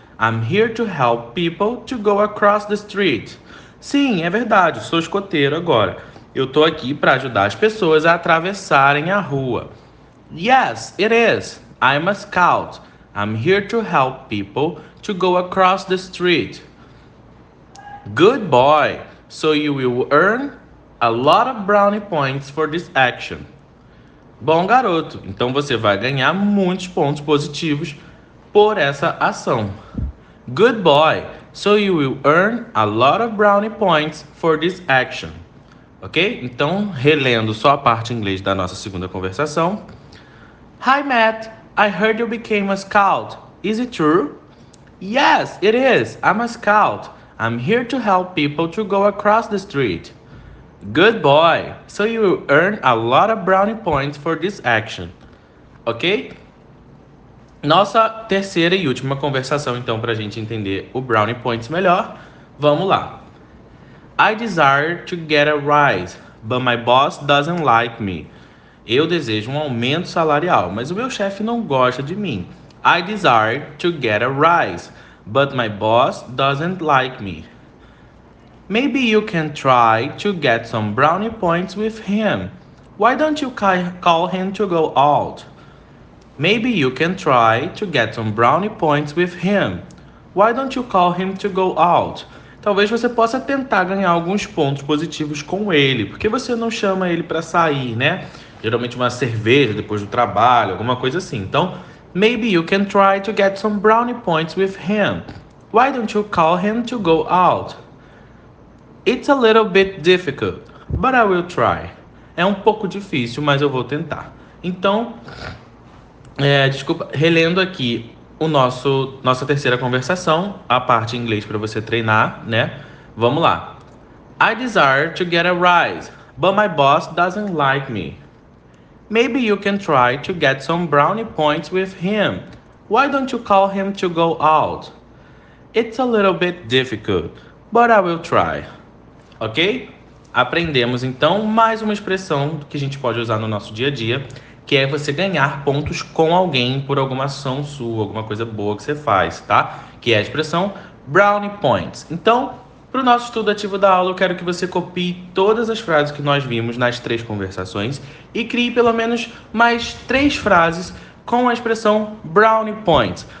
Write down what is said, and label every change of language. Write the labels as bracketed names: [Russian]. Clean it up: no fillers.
[English] I'm here to help people to go across the street. [Portuguese] Sim, é verdade. Sou escoteiro agora. Eu tô aqui para ajudar as pessoas a atravessarem a rua. [English] Yes, it is. I'm a scout. I'm here to help people to go across the street. Good boy. So you will earn a lot of brownie points for this action. [Portuguese] Bom garoto, então você vai ganhar muitos pontos positivos por essa ação. [English] Good boy. So you will earn a lot of brownie points for this action. Ok? [Portuguese] Então, relendo só a parte em inglês da nossa segunda conversação. [English] Hi, Matt. I heard you became a scout. Is it true? Yes, it is. I'm a scout. I'm here to help people to go across the street. Good boy. So you will earn a lot of brownie points for this action. Ok? [Portuguese] Nossa terceira e última conversação, então, para a gente entender o Brownie Points melhor. Vamos lá. [English] I desire to get a rise, but my boss doesn't like me. [Portuguese] Eu desejo um aumento salarial, mas o meu chefe não gosta de mim. [English] I desire to get a rise, but my boss doesn't like me. Maybe you can try to get some brownie points with him. Why don't you call him to go out? Maybe you can try to get some brownie points with him. Why don't you call him to go out? [Portuguese] Talvez você possa tentar ganhar alguns pontos positivos com ele. Por que você não chama ele para sair, né? Geralmente uma cerveja depois do trabalho, alguma coisa assim. [English] Então, maybe you can try to get some brownie points with him. Why don't you call him to go out? It's a little bit difficult, but I will try. [Portuguese] É um pouco difícil, mas eu vou tentar. Então, desculpa, relendo aqui. Nossa terceira conversação, a parte em inglês para você treinar, né? Vamos lá. [English] I desire to get a rise, but my boss doesn't like me. Maybe you can try to get some brownie points with him. Why don't you call him to go out? It's a little bit difficult, but I will try. Ok? [Portuguese] Aprendemos então mais uma expressão que a gente pode usar no nosso dia a dia. Que é você ganhar pontos com alguém por alguma ação sua, alguma coisa boa que você faz, tá? Que é a expressão brownie points. Então, para o nosso estudo ativo da aula, eu quero que você copie todas as frases que nós vimos nas três conversações e crie pelo menos mais três frases com a expressão brownie points.